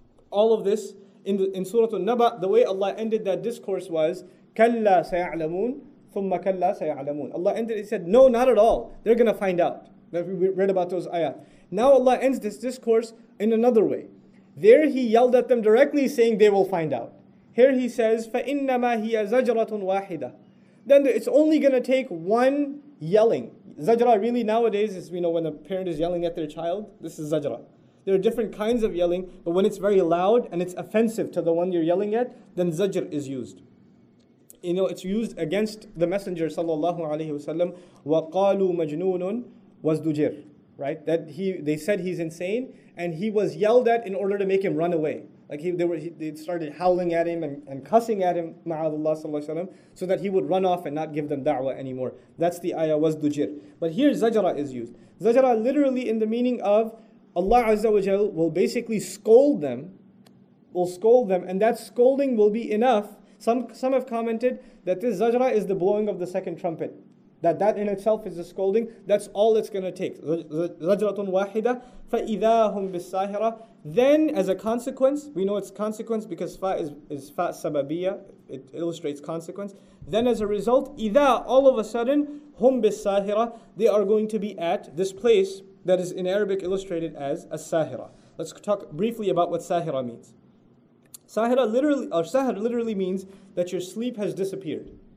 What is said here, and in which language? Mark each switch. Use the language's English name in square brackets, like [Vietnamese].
[English] All of this in Surah An-Naba, the way Allah ended that discourse was [Arabic] كَلَّا سَيَعْلَمُونَ ثُمَّ كَلَّا سَيَعْلَمُونَ. [English] Allah ended it, said, no, not at all. They're going to find out. We read about those ayat. Now Allah ends this discourse in another way. There He yelled at them directly saying they will find out. Here He says, [Arabic] فَإِنَّمَا هِيَ زَجْرَةٌ وَاحِدَةٌ. [English] Then it's only going to take one yelling. Zajra really nowadays is, you know, when a parent is yelling at their child, this is zajra. There are different kinds of yelling, but when it's very loud and it's offensive to the one you're yelling at, then zajr is used. You know, it's used against the messenger sallallahu alayhi wa sallam, [Arabic] وَقَالُوا مَجْنُونٌ وَزْدُجِرٌ. [English] Right, that they said he's insane, and he was yelled at in order to make him run away. Like they started howling at him and cussing at him, ma'adullah sallallahu alayhi wa sallam, so that he would run off and not give them da'wah anymore. That's the ayah, wazdujir. But here zajra is used. Zajra literally in the meaning of Allah Azza wa Jal will basically scold them, and that scolding will be enough. Some have commented that this zajra is the blowing of the second trumpet. That in itself is a scolding. That's all it's going to take. [Arabic] Zajratun wahida, فَإِذَا هُمْ بِالسَّاهِرَةِ. [English] Then, as a consequence, we know it's consequence because fa is fa sababiyya. It illustrates consequence. Then, as a result, إِذَا, all of a sudden, [Arabic] هُمْ بِالسَّاهِرَةِ, [English] they are going to be at this place that is in Arabic illustrated as a sahira. Let's talk briefly about what sahira means. Sahira literally means that your sleep has disappeared.